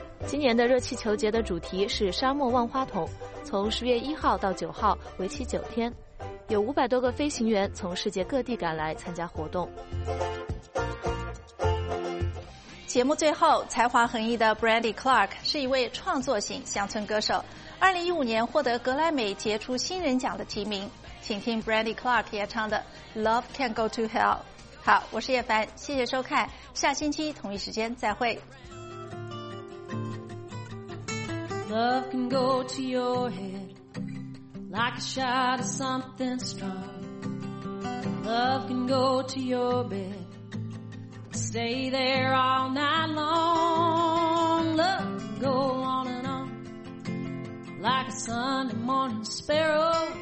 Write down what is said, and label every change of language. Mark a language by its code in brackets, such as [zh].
[zh] 今年的热气球节的主题是沙漠万花筒，从10月1号到9号，为期9天，有500多个飞行员从世界各地赶来参加活动。节目最后，才华横溢的 Brandy Clark 是一位创作型乡村歌手，2015年获得格莱美杰出新人奖的提名。请听 Brandy Clark 演唱的 Love Can Go To Hell。好，我是叶凡，谢谢收看，下星期同一时间再会。 [en] Love can go to your head like a shot of something strong. Love can go to your bed, stay there all night long. Love can go on and on like a Sunday morning sparrow.